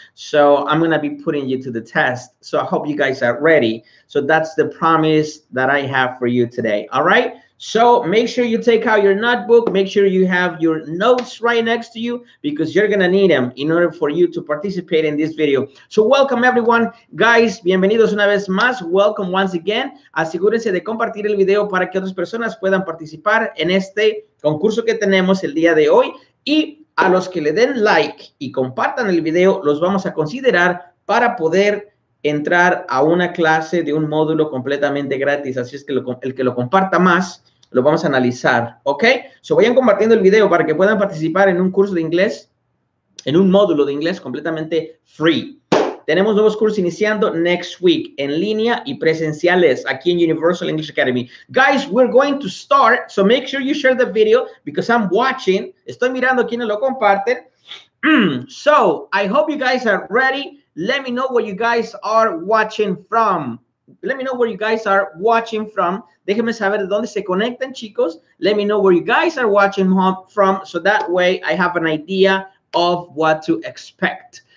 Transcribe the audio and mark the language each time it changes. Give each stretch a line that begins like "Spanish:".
English: So I'm gonna be putting you to the test. So I hope you guys are ready. So that's the promise that I have for you today, all right? So make sure you take out your notebook, make sure you have your notes right next to you because you're gonna need them in order for you to participate in this video. So welcome everyone. Guys,
Spanish: bienvenidos una vez más.
English: Welcome once again.
Spanish: Asegúrense de compartir el video para que otras personas puedan participar en este concurso que tenemos el día de hoy. Y a los que le den like y compartan el video, los vamos a considerar para poder entrar a una clase de un módulo completamente gratis. Así es que el que lo comparta más, lo vamos a analizar, ¿ok? So, vayan compartiendo el video para que puedan participar en un curso de inglés, en un módulo de inglés completamente free. Tenemos nuevos cursos iniciando
English: next week
Spanish: en línea y presenciales aquí en Universal English Academy.
English: Guys, we're going to start, so make sure you share the video because I'm watching.
Spanish: Estoy mirando quiénes lo comparten.
English: So, I hope you guys are ready. Let me know where you guys are watching from. Let me know where you guys are watching from.
Spanish: Déjenme saber de dónde se conectan, chicos.
English: Let me know where you guys are watching from so that way I have an idea of what to expect.